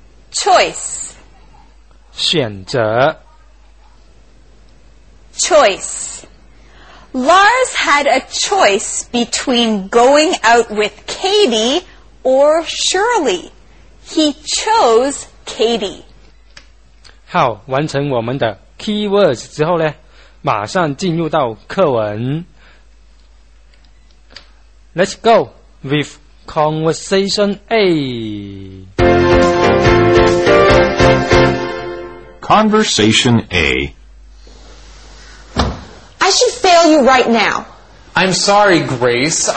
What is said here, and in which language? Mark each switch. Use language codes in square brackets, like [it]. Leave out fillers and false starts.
[en] Choice. [zh] 选择。 [en] Choice. Lars had a choice between going out with Katie or Shirley. He chose Katie. [zh] 好，完成我们的 keywords 之后呢，马上进入到课文。 [en] Let's go with conversation A. Conversation A. I should fail you right now. I'm sorry, Grace.